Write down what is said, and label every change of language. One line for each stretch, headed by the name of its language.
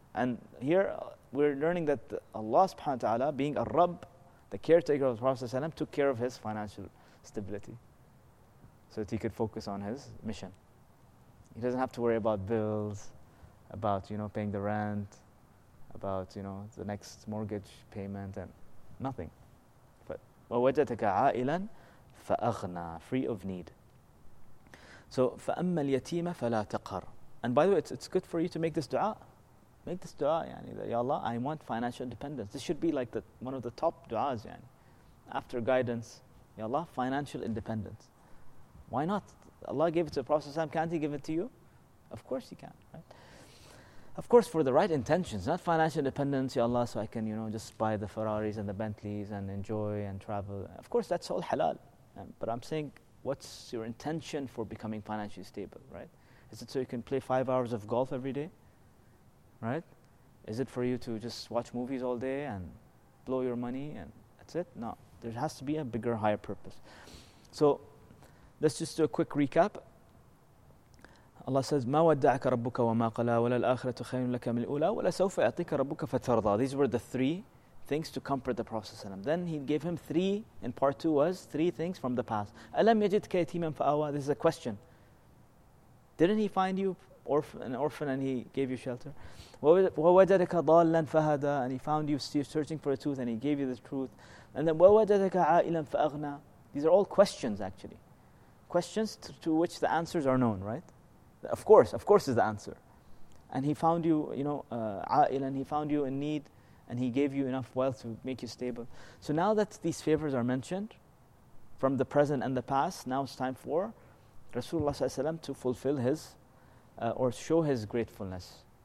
English: And here we're learning that Allah subhanahu wa ta'ala, being a Rabb, the caretaker of the Prophet sallallahu alaihi wasallam, took care of his financial stability so that he could focus on his mission. He doesn't have to worry about bills, about, you know, paying the rent, about, you know, the next mortgage payment, and nothing. But
Arabic: وَوَجَدَكَ عَائِلًا فَأَغْنَى,
English: free of need.
Arabic: So فَأَمَّا الْيَتِيمَ فَلَا تَقْهَرْ.
English: And by the way, it's good for you to make this dua. Make this dua, يعني, that, Ya Allah, I want financial independence. This should be like the one of the top duas, يعني. After guidance, Ya Allah, financial independence. Why not? Allah gave it to the Prophet, can't he give it to you? Of course he can, right? Of course, for the right intentions, not financial independence, Ya Allah, so I can, you know, just buy the Ferraris and the Bentleys and enjoy and travel. Of course, that's all halal. But I'm saying, what's your intention for becoming financially stable, right? Is it so you can play 5 hours of golf every day, right? Is it for you to just watch movies all day and blow your money and that's it? No, there has to be a bigger, higher purpose. So let's just do a quick recap. Allah says,
Arabic: مَا وَدَّعَكَ رَبُّكَ وَمَا قَلَى وَلَا الْآخِرَةُ خَيْرٌ لَكَ مِنْ الْأُولَى وَلَا سَوْفَ يَعْطِيكَ رَبُّكَ فَتَرْضَى.
English: These were the three things to comfort the Prophet ﷺ. Then he gave him three, in part two was three things from the past.
Arabic: أَلَمْ يَجِدْكَ يَتِيمًا فَآوَى.
English: This is a question. Didn't he find you an orphan and he gave you shelter?
Arabic: وَوَجَدَكَ ضَالًّا فَهَدَى.
English: And he found you searching for the truth and he gave you the truth. And then
Arabic: وَوَجَدَكَ عَائِلًا فَأَغْنَى.
English: These are all questions actually. Questions to which the answers are known, right? Of course is the answer. And he found you, you know, عائل, and he found you in need, and he gave you enough wealth to make you stable. So now that these favors are mentioned from the present and the past, now it's time for Rasulullah ﷺ to fulfill his, or show his gratefulness.